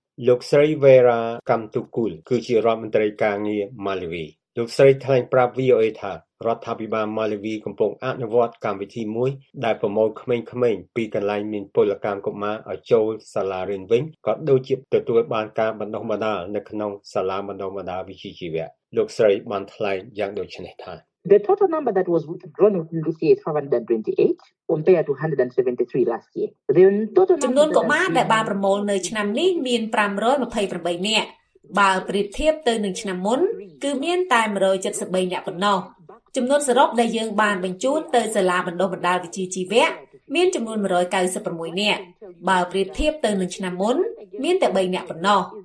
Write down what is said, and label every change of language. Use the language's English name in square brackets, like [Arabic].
[Khmer] លោកស្រី Vera Kamtukul គឺជារដ្ឋមន្ត្រីការងារម៉ាឡាវីលោកស្រីថ្លែងប្រាប់ VOA ថារដ្ឋាភិបាលម៉ាឡាវីកំពុងអនុវត្តកម្មវិធីមួយដែលប្រមូលក្មេងៗពីកន្លែងមានពលកម្មកុមារឲ្យចូលសាលារៀនវិញក៏ដូចជាទទួលបានការបណ្ដុះបណ្ដាលនៅក្នុងសាលាបណ្ដុះបណ្ដាលវិជ្ជាជីវៈលោកស្រីបានថ្លែងយ៉ាងដូចនេះថា [English] The total number that was withdrawn was 8,828 compared to 173 last year. The total number [Khmer] ចំនួនកុមារដែលបានប្រមូលនៅឆ្នាំនេះមាន528នាក់បើប្រៀបធៀបទៅនឹងឆ្នាំមុនគឺមានតែ173នាក់ប៉ុណ្ណោះចំនួនសរុបដែលយើងបានបញ្ជូនទៅសាលាបណ្ដុះបណ្ដាលវិជ្ជាជីវៈមានចំនួន196នាក់បើប្រៀបធៀបទៅនឹងឆ្នាំមុនមានតែ3នាក់ប៉ុណ្ណោះ